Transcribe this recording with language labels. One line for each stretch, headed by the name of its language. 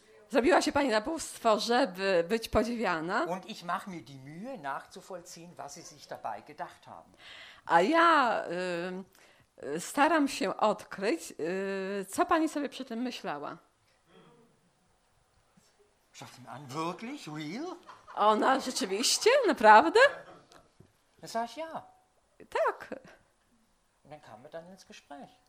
Polish: Zrobiła się pani na bóstwo, żeby być podziwiana.
German: Und ich mache mir die Mühe nachzuvollziehen, was sie sich dabei gedacht haben.
Polish: A ja staram się odkryć, co pani sobie przy tym myślała.
German: Schaut sie mich an, wirklich?
English: Real?
Polish: Ona rzeczywiście? Naprawdę?
German: Sag ja.
Polish: Tak.
German: Und dann kamen wir dann ins Gespräch.